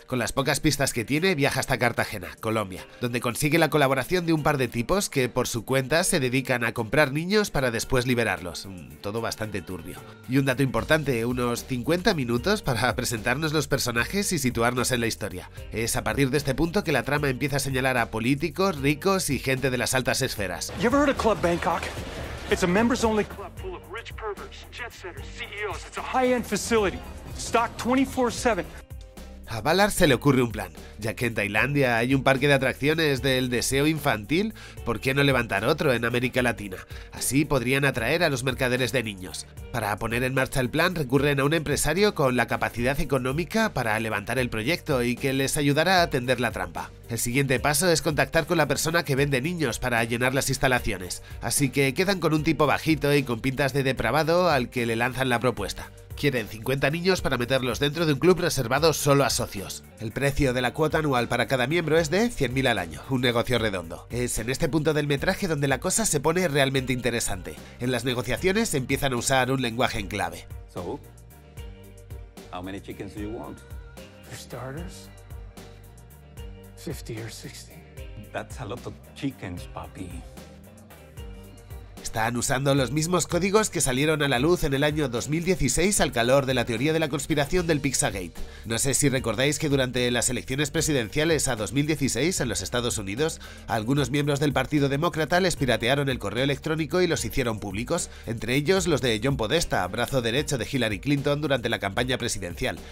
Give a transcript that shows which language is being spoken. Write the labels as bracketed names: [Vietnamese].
[Spanish] Con las pocas pistas que tiene, viaja hasta Cartagena, Colombia, donde consigue la colaboración de un par de tipos que, por su cuenta, se dedican a comprar niños para después liberarlos. Todo bastante turbio. Y un dato importante, unos 50 minutos para presentarnos los personajes y situarnos en la historia. Es a partir de este punto que la trama empieza a señalar a políticos, ricos y gente de las altas esferas. ¿Has escuchado el Club Bangkok? [English] It's a members-only club full of rich perverts, jet-setters, CEOs. It's a high-end facility, stocked 24/7. [Spanish] A Ballard se le ocurre un plan. Ya que en Tailandia hay un parque de atracciones del deseo infantil, ¿por qué no levantar otro en América Latina? Así podrían atraer a los mercaderes de niños. Para poner en marcha el plan recurren a un empresario con la capacidad económica para levantar el proyecto y que les ayudará a tender la trampa. El siguiente paso es contactar con la persona que vende niños para llenar las instalaciones. Así que quedan con un tipo bajito y con pintas de depravado al que le lanzan la propuesta. Quieren 50 niños para meterlos dentro de un club reservado solo a socios. El precio de la cuota anual para cada miembro es de 100.000 al año, un negocio redondo. Es en este punto del metraje donde la cosa se pone realmente interesante. En las negociaciones empiezan a usar un lenguaje en clave. [English] So, how many chickens do you want? For starters, 50 or 60. That's a lot of chickens, papi. [Spanish] Están usando los mismos códigos que salieron a la luz en el año 2016 al calor de la teoría de la conspiración del Pizzagate. No sé si recordáis que durante las elecciones presidenciales a 2016 en los Estados Unidos, algunos miembros del Partido Demócrata les piratearon el correo electrónico y los hicieron públicos, entre ellos los de John Podesta, brazo derecho de Hillary Clinton durante la campaña presidencial.